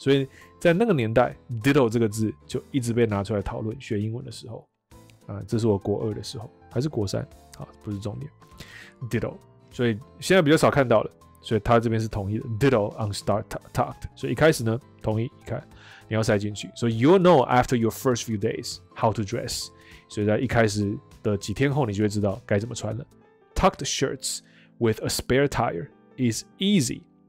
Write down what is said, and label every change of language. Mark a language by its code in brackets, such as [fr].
[zh] 所以在那个年代 ，ditto 这个字就一直被拿出来讨论。学英文的时候，这是我国二的时候，还是国三？好，不是重点。ditto， 所以现在比较少看到了。所以他这边是同意的 ， [en] ditto on start tucked。 [zh] 所以一开始呢，同意，看你要塞进去。 [en] 所以 you'll know after your first few days how to dress。 [zh] 所以在一开始的几天后，你就会知道该怎么穿了。 [en] Tucked shirts with a spare tire is easy。